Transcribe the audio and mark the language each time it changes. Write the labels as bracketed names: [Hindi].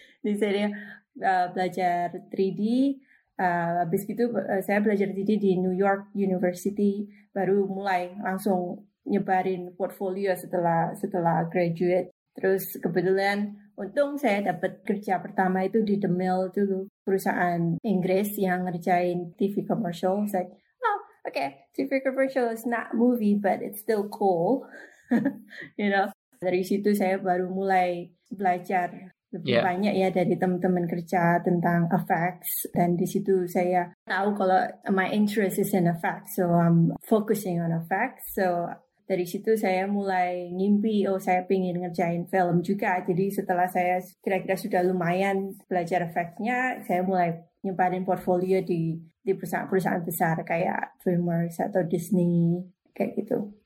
[Indonesian] Jadi saya belajar 3D, habis itu saya belajar 3D di New York University, baru mulai langsung nyebarin portfolio setelah graduate. Terus kebetulan untung saya dapat kerja pertama itu di The Mill dulu, perusahaan Inggris yang ngerjain TV commercial. [English] Saya, TV commercial is not movie, but it's still cool. You know, [Indonesian] dari situ saya baru mulai belajar lebih banyak ya dari teman-teman kerja tentang effects. Dan di situ saya tahu kalau [English] my interest is in effects, so I'm focusing on effects. [Indonesian] So dari situ saya mulai ngimpi, oh saya pengen ngerjain film juga. Jadi setelah saya kira-kira sudah lumayan belajar efeknya, saya mulai nyimpanin portfolio di perusahaan-perusahaan besar kayak DreamWorks atau Disney, kayak gitu.